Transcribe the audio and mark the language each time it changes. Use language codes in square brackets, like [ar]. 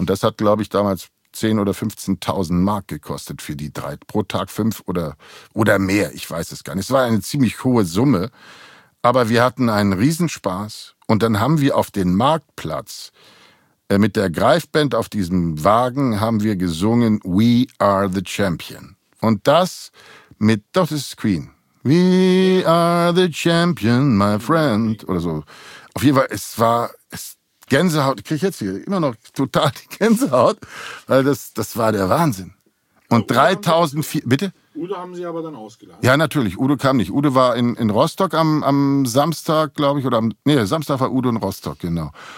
[de] Und das hat, glaube ich, damals 10 oder 15.000 Mark gekostet für die drei, pro Tag 5 oder mehr, ich weiß es gar nicht. Es war eine ziemlich hohe Summe, aber wir hatten einen Riesenspaß und dann haben wir auf den Marktplatz mit der Greifband auf diesem Wagen haben wir gesungen We are the Champion. Und das mit, doch, das ist Queen. [en] We are the Champion, my friend. [de] Oder so. Auf jeden Fall, Gänsehaut, kriege ich jetzt hier immer noch total die Gänsehaut, weil das war der Wahnsinn. Und 3.400, bitte? Udo haben Sie aber dann ausgeladen. Ja, natürlich, Udo kam nicht. Udo war in Rostock am Samstag, glaube ich, Samstag war Udo in Rostock, genau.